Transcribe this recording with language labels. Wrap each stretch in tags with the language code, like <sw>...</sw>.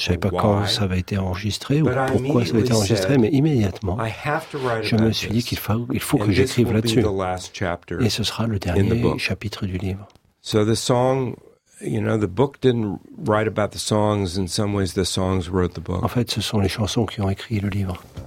<fr>Je savais pas quand ça avait été enregistré ou pourquoi ça avait été enregistré. Mais immédiatement, je me suis dit qu'il faut que j'écrive là-dessus. Et ce sera le dernier chapitre du livre.</fr> <en>So the song. You know, the book didn't write about the songs. In some ways, the songs wrote the book.</en> <fr>En fait, ce sont les chansons qui ont écrit le livre.</fr>